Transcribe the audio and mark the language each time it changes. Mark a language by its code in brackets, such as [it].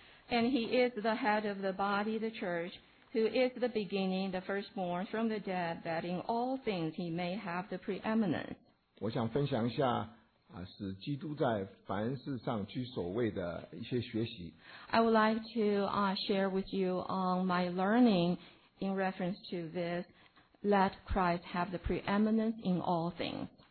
[en] And he is the head of the body, the church, who is the beginning, the firstborn from the dead, that in all things he may have the preeminence. [zh] 我想分享一下使基督在凡事上居首位的一些学习。 [en] I would like to share with you on my learning in reference to this. Let Christ have the preeminence in all things.